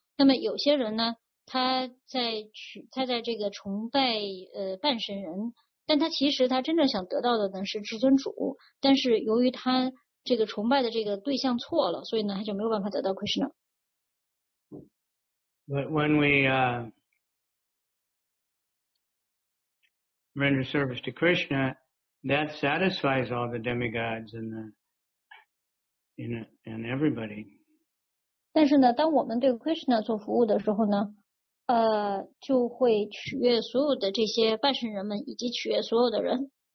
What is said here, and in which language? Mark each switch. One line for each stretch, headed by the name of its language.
Chinese: 那么有些人呢，他在这个崇拜半神人。但他其实他真正想得到的呢是至尊主，但是由于他这个崇拜的这个对象错了，所以呢他就没有办法得到 Krishna。
English: But when we render service to Krishna, that satisfies all the demigods and everybody.
Chinese: 但是呢，当我们对 Krishna 做服务的时候呢？就会取悦所有的这些半神人们以及取悦所有的人。